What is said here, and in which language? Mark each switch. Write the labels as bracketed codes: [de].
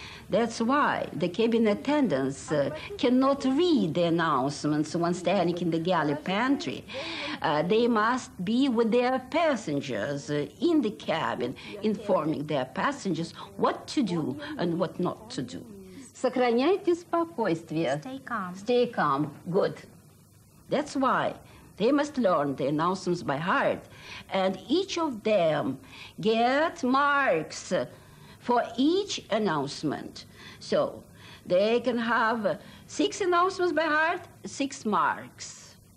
[en] That's why the cabin attendants cannot read the announcements when standing in the galley pantry. They must be with their passengers in the cabin, informing their passengers what to do and what not to do. [ru] Сохраняйте спокойствие. [en] Stay calm. Stay calm. Good. That's why they must learn the announcements by heart, and each of them get marks for each announcement. So they can have six announcements by heart, six marks.